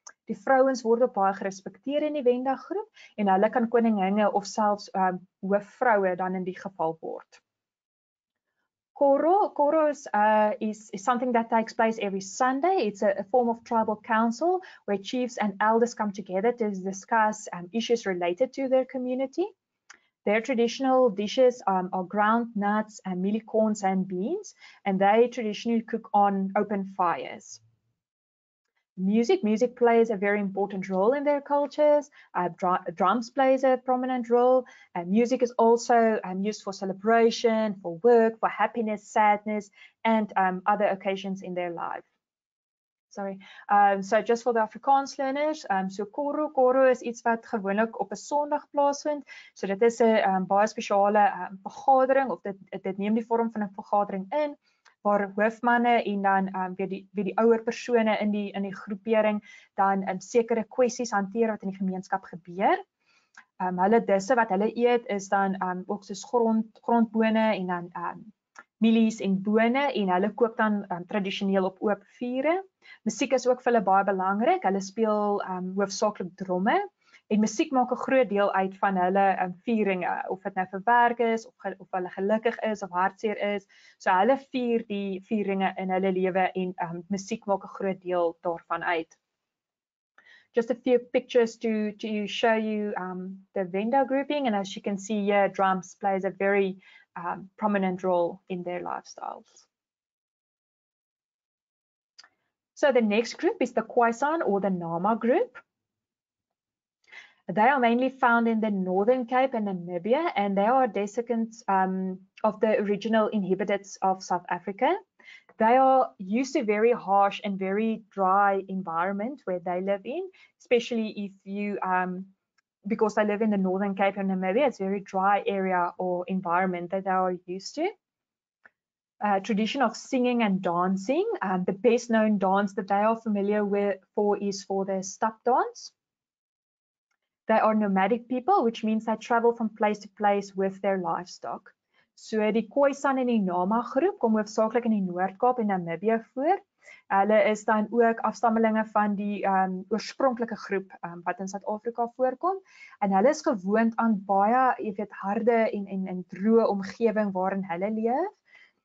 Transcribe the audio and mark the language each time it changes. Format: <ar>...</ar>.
<af>Die vrouens word op baie gerespekteer in die Venda groep en hulle kan koninginne of selfs hoofvroue dan in die geval word.</af> <en>Koro is something that takes place every Sunday. It's a form of tribal council where chiefs and elders come together to discuss issues related to their community. Their traditional dishes are ground nuts and mealy corns and beans, and they traditionally cook on open fires. Music plays a very important role in their cultures. Drums plays a prominent role. And music is also used for celebration, for work, for happiness, sadness, and other occasions in their life. Sorry. So just for the Afrikaans learners,</en> <af>so koro is iets wat gewoonlik op 'n Sondag plaasvind. So dit is 'n baie spesiale vergadering of dit neem die vorm van 'n vergadering in waar hoofmanne en dan weer die ouer persone in die groepering dan sekere kwessies hanteer wat in die gemeenskap gebeur. Hulle disse wat hulle eet is dan ook soos grondbone en dan mielies en bone en hulle kook dan tradisioneel op oop vure. Musiek is ook vir hulle baie belangrik. Hulle speel hoofsaaklik dromme en musiek maak 'n groot deel uit van hulle vieringe, of dit nou vir werk is of hulle gelukkig is of hartseer is. So hulle vier die vieringe in hulle lewe en musiek maak 'n groot deel daarvan uit.</af> <en>Just a few pictures to show you the Venda grouping, and as you can see here, drums plays a very prominent role in their lifestyles. So the next group is the Khoisan or the Nama group. They are mainly found in the Northern Cape and Namibia, and they are descendants of the original inhabitants of South Africa. They are used to very harsh and very dry environment where they live in, especially if you because they live in the Northern Cape and Namibia, it's a very dry area or environment that they are used to. Tradition of singing and dancing. The best known dance that they are familiar with is the stap dance. They are nomadic people, which means they travel from place to place with their livestock.</en> <af>So die Khoisan en die Nama groep kom hoofsaaklik in die Noord-Kaap en Namibia voor. Hulle is dan ook afstammelinge van die oorspronklike groep wat in Suid-Afrika voorkom en hulle is gewoond aan baie, harde en droë omgewing waarin hulle leef.</af>